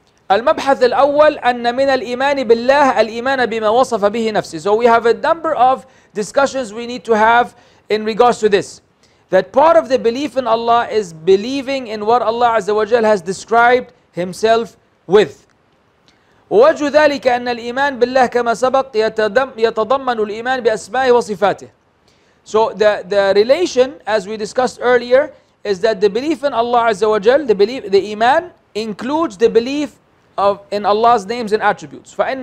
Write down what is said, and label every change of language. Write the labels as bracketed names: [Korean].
[Arabic] المبحث الأول أن من الإيمان بالله الإيمان بما وصف به نفسه. [English] So we have a number of discussions we need to have in regards to this, that part of the belief in Allah is believing in what Allah عز وجل has described himself with. [Arabic] ووجه ذلك أن الإيمان بالله كما سبق يتضمن الإيمان بأسمائه وصفاته. [English] So the relation, as we discussed earlier, is that the belief in Allah Azza wa Jal, the إيمان includes the belief of in Allah's names and attributes.